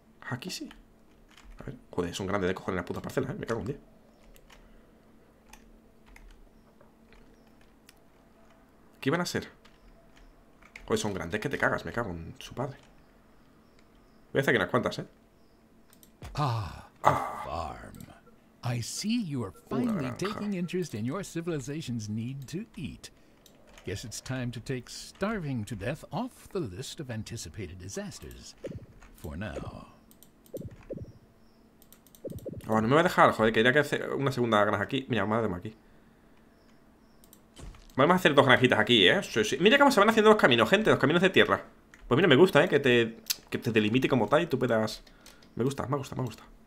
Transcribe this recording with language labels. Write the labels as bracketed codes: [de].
[es] Aquí sí. A ver, joder, son grandes de cojones las putas parcelas, ¿eh? Me cago en 10. ¿Qué iban a ser? Joder, son grandes que te cagas. Me cago en su padre. Voy a hacer aquí unas cuantas, ¿eh? [en] Ah, a farm. I see you are finally taking interest in your civilization's need to eat. Guess it's time to take starving to death off the list of anticipated disasters. For now. [es] Oh, no me va a dejar, joder, quería que hacer una segunda granja aquí. Mira, vamos a hacer aquí. Vamos a hacer dos granjitas aquí, ¿eh? Sí, sí. Mira cómo se van haciendo los caminos, gente, los caminos de tierra. Pues mira, me gusta, ¿eh? Que te delimite como tal y tú puedas... Me gusta, me gusta, me gusta.